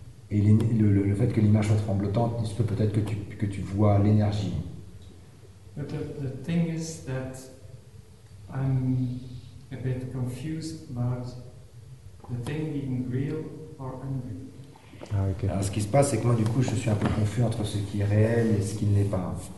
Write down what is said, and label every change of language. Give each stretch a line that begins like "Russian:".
French: Et le fait que l'image soit tremblotante, il se peut peut-être que tu vois l'énergie.
English: But the thing is that I'm a bit confused about the thing being real or unreal. Ah, okay.
French: Alors, ce qui se passe, c'est que moi, du coup, je suis un peu confus entre ce qui est réel et ce qui ne l'est pas.